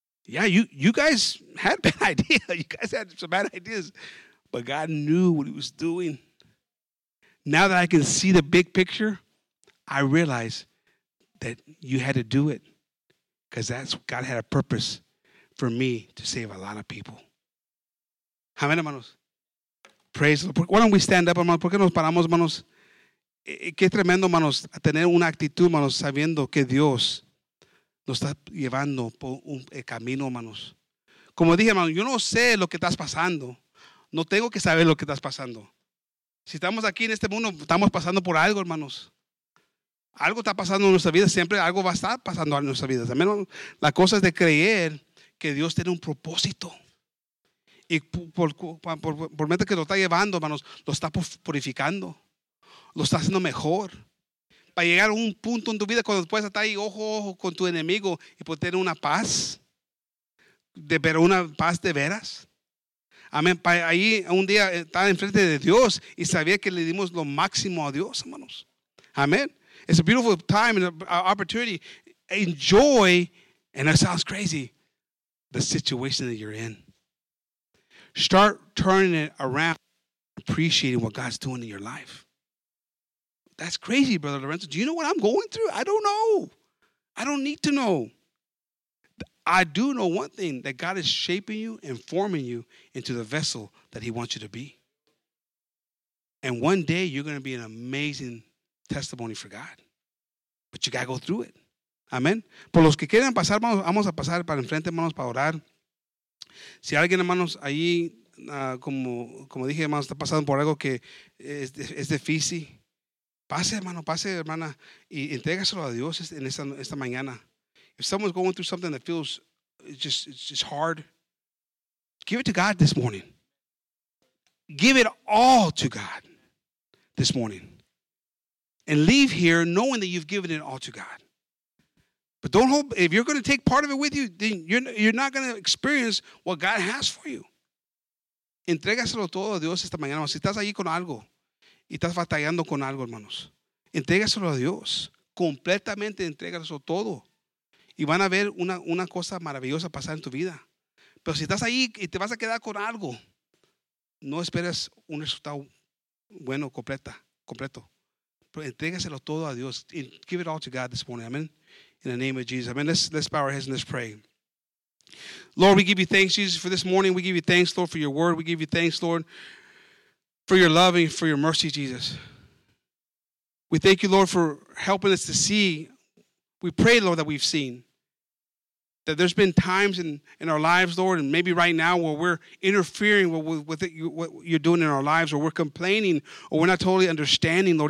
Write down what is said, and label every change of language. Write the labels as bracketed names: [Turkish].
[English] Yeah, you guys had a bad idea. You guys had some bad ideas, but God knew what he was doing. Now that I can see the big picture, I realize that you had to do it because that's God had a purpose for me to save a lot of people. Amen, hermanos. Praise the Lord. Why don't we stand up, hermanos? [Spanish] ¿Por qué nos paramos, hermanos? Qué tremendo, hermanos, a tener una actitud, hermanos, sabiendo que Dios nos está llevando por un camino, hermanos. Como dije, hermanos, yo no sé lo que estás pasando. No tengo que saber lo que estás pasando. Si estamos aquí en este mundo, estamos pasando por algo, hermanos. Algo está pasando en nuestra vida. Siempre algo va a estar pasando en nuestra vida. También la cosa es de creer que Dios tiene un propósito. Y por medio que lo está llevando, hermanos, lo está purificando. Lo está haciendo mejor. Para llegar a un punto en tu vida cuando puedes estar ahí ojo a ojo con tu enemigo y poder tener una paz. Pero una paz de veras. Amén. Para ahí un día estar enfrente de Dios y sabía que le dimos lo máximo a Dios, hermanos. [English] Amén. It's a beautiful time and an opportunity. Enjoy, and it sounds crazy, the situation that you're in. Start turning it around, appreciating what God's doing in your life. That's crazy, Brother Lorenzo. Do you know what I'm going through? I don't know. I don't need to know. I do know one thing, that God is shaping you and forming you into the vessel that he wants you to be. And one day, you're going to be an amazing testimony for God. But you got to go through it. Amen. [Spanish] Por los que quieran pasar, vamos a pasar para enfrente, hermanos, para orar. Si alguien, hermanos, ahí, como dije, hermanos, está pasando por algo que es difícil, pase, hermano, pase, hermana, y entrégaselo a Dios en esta mañana. [English] If someone's going through something that feels it's just hard, give it to God this morning. Give it all to God this morning. And leave here knowing that you've given it all to God. But don't hope, if you're going to take part of it with you, then you're not going to experience what God has for you. [Spanish] Entrégaselo todo a Dios esta mañana. Si estás ahí con algo y estás batallando con algo, hermanos, entrégaselo a Dios. Completamente entrégaselo todo. Y van a ver una cosa maravillosa pasar en tu vida. Pero si estás ahí y te vas a quedar con algo, no esperes un resultado bueno, completo. Pero entrégaselo todo a Dios. [English] And give it all to God this morning. Amen. In the name of Jesus. Amen. Let's bow our heads and let's pray. Lord, we give you thanks, Jesus, for this morning. We give you thanks, Lord, for your word. We give you thanks, Lord, for your love and for your mercy, Jesus. We thank you, Lord, for helping us to see. We pray, Lord, that we've seen that there's been times in our lives, Lord, and maybe right now where we're interfering with it, what you're doing in our lives, or we're complaining, or we're not totally understanding, Lord.